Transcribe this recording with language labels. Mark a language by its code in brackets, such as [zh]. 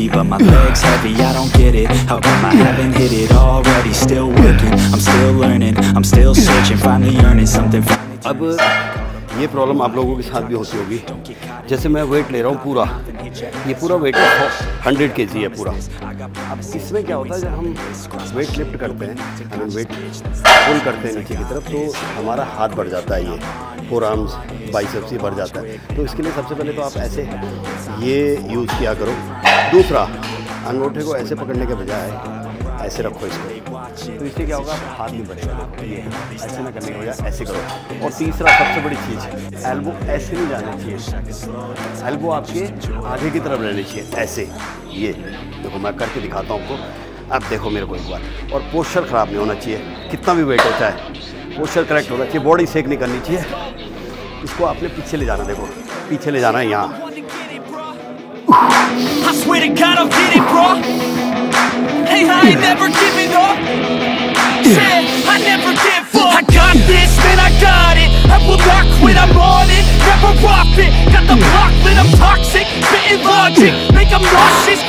[en] My legs heavy, I don't get it. How come I haven't hit it already? Still working, I'm still learning, I'm still searching, finally earning something. [hi] अब ये problem आप लोगों के साथ भी होती होगी, जैसे मैं वेट ले रहा हूँ पूरा, ये पूरा वेट 100 kg है पूरा। अब इसमें क्या होता है, जब हम वेट लिफ्ट करते हैं, वेट पुल करते हैं नीचे की तरफ, तो हमारा हाथ बढ़ जाता है, ये फोरआर्म्स बाइसेप्स ही बढ़ जाता है। तो इसके लिए सबसे पहले तो आप ऐसे ये यूज़ किया करो, दूसरा अंगूठे को ऐसे पकड़ने के बजाय ऐसे रखो इसको, तो इससे क्या होगा हाथ नहीं बढ़ेगा, ऐसे ना करने की वजह ऐसे करो। और तीसरा सबसे बड़ी चीज़, एल्बो ऐसे नहीं जाना चाहिए, एल्बो आपके आगे की तरफ रहनी चाहिए ऐसे। ये देखो मैं करके दिखाता हूँ आपको, अब देखो मेरे को एक बार। और पोस्चर ख़राब नहीं होना चाहिए, कितना भी वेट होता है पोस्चर करेक्ट होना चाहिए, बॉडी शेक नहीं करनी चाहिए। इसको आपने पीछे ले जाना, देखो पीछे ले जाना है यहाँ। [en] I swear to God I'll get it, bro. Hey, I ain't never giving up. Said I never give up. I got this, man, I got it. I will not quit, I'm on it. Never rock it. Got the block lit, I'm toxic. Spitting logic, make them nauseous.